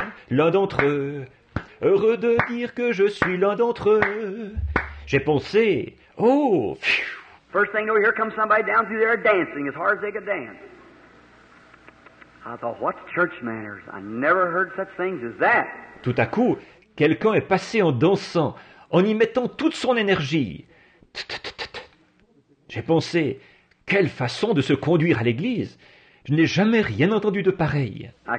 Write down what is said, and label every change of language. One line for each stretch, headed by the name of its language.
French: L'un d'entre eux, heureux de dire que je suis l'un d'entre eux. J'ai pensé, oh, phew.
English: First thing over here comes somebody down through there dancing as hard as they could dance. I thought, what's church manners? I never heard such things as that.
French: Tout à coup, quelqu'un est passé en dansant, en y mettant toute son énergie. J'ai pensé, quelle façon de se conduire à l'église. Je n'ai jamais rien entendu de pareil.